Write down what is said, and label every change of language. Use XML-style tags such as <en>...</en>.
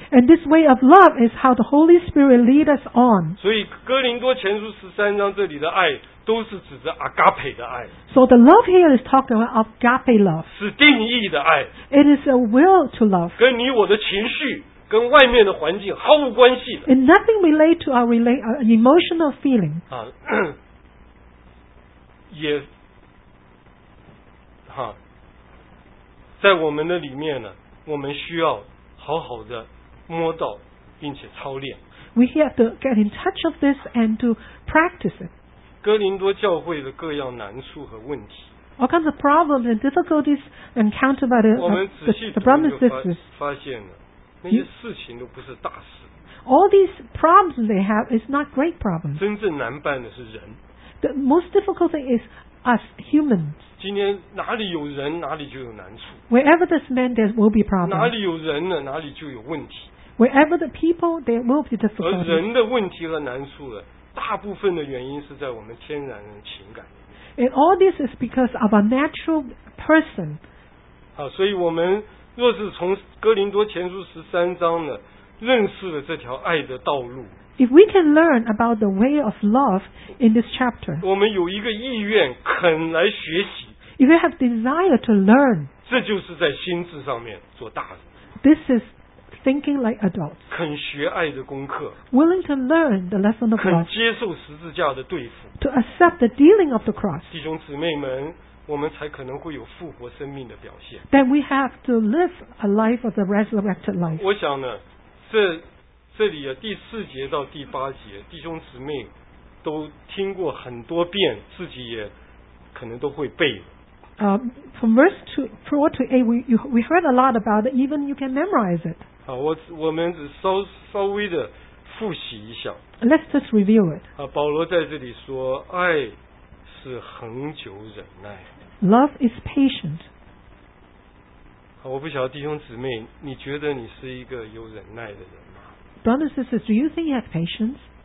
<en>And this way of love is how the Holy Spirit lead us on.</en> <zh>所以哥林多前书十三章这里的爱都是指着 agape 的爱。</zh> <en>So the love here is talking about agape love.</en> <zh>是定义的爱。</zh> <en>It is a will to love.</en> <zh>跟你我的情绪跟外面的环境毫无关系的。</zh> <en>And nothing relate to our emotional feeling.</en> <zh>啊，也，哈，在我们的里面呢，我们需要好好的摸到，并且操练。</zh> <en>We have to get in touch of this and to practice it.</en> <zh>哥林多教会的各样难处和问题。</zh> <en>All kinds of problems and difficulties encountered by the brothers and sisters.</en> <zh>发现了那些事情都不是大事。</zh> <en>All these problems they have is not great problems.</en> <zh>真正难办的是人。</zh> <en>The most difficult thing is us humans.</en> <zh>今天哪里有人，哪里就有难处。</zh> <en>Wherever there's men, there will be problems.</en> <zh>哪里有人呢，哪里就有问题。</zh> <en>Wherever the people, there will be difficulties.</en> <zh>而人的问题和难处呢？大部分的原因是在我们天然的情感。</zh> <en>And all this is because of a natural person.</en> <zh>好，所以我们若是从哥林多前书十三章呢，认识了这条爱的道路。</zh> <en>If we can learn about the way of love in this chapter.</en> <zh>我们有一个意愿肯来学习。</zh> <en>If we have desire to learn.</en> <zh>这就是在心智上面做大人。</zh> <en>This is. Thinking like adults,</en> <zh>肯学爱的功课</zh> <en>willing to learn the lesson of love,</en> <zh>肯接受十字架的对付</zh> <en>to accept the dealing of the cross.</en> <zh>弟兄姊妹们，我们才可能会有复活生命的表现。</zh> <en>Then we have to live a life of the resurrected life.</en> <zh>我想呢，这里啊，第四节到第八节，弟兄姊妹都听过很多遍，自己也可能都会背了。</zh> <en>From verse 4 to 8, we heard a lot about it. Even you can memorize it.</en> <zh>好，我们稍微的复习一下。</zh> <en>Let's just review it.</en> <zh>啊，保罗在这里说，爱是恒久忍耐。</zh> <en>Love is patient.</en> <zh>好，我不晓得弟兄姊妹，你觉得你是一个有忍耐的人吗</zh> <en>？Brothers and sisters, do you think you have patience?</en>